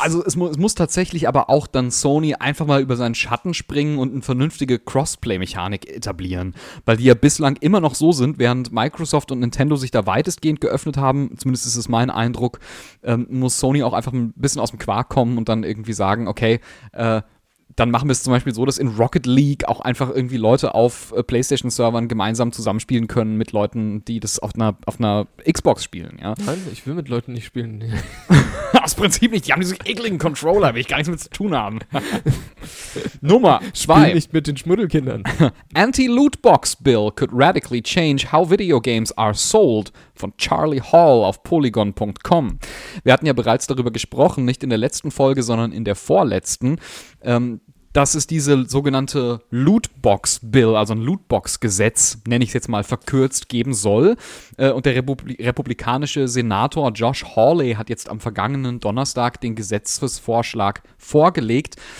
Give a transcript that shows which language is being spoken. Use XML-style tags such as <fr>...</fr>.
<de>Also es muss tatsächlich aber auch dann Sony einfach mal über seinen Schatten springen und eine vernünftige Crossplay-Mechanik etablieren, weil die ja bislang immer noch so sind, während Microsoft und Nintendo sich da weitestgehend geöffnet haben, zumindest ist es mein Eindruck, muss Sony auch einfach ein bisschen aus dem Quark kommen und dann irgendwie sagen, okay, dann machen wir es zum Beispiel so, dass in Rocket League auch einfach irgendwie Leute auf PlayStation-Servern gemeinsam zusammenspielen können mit Leuten, die das auf einer Xbox spielen, ja? Nein, ich will mit Leuten nicht spielen. Aus Prinzip nicht, die haben diese ekligen Controller, will ich gar nichts mit zu tun haben. Nummer 2. Spiel nicht mit den Schmuddelkindern.</de> <en>Anti-Lootbox-Bill could radically change how video games are sold.</en> <de>Von Charlie Hall auf polygon.com. Wir hatten ja bereits darüber gesprochen, nicht in der letzten Folge, sondern in der vorletzten, dass es diese sogenannte Lootbox-Bill, also ein Lootbox-Gesetz, nenne ich es jetzt mal verkürzt, geben soll. Und der republikanische Senator Josh Hawley hat jetzt am vergangenen Donnerstag den Gesetzesvorschlag vorgelegt.</de>